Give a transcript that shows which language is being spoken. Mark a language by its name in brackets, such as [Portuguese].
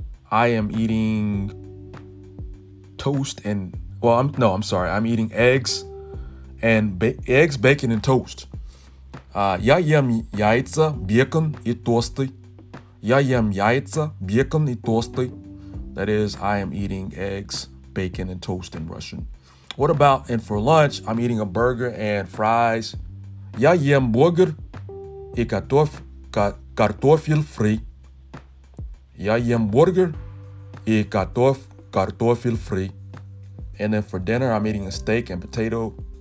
[English] I am eating toast and, well, I'm sorry. I'm eating eggs, bacon and toast. [Russian] Я ем яйца, бекон и тосты. Я ем яйца, бекон и тосты. [English] That is, I am eating eggs, bacon, and toast in Russian. What about, and for lunch, I'm eating a burger and fries. [Russian] Я ем бургер и картофель фри. Я ем бургер и картофель фри. [English] And then for dinner, I'm eating a steak and potato.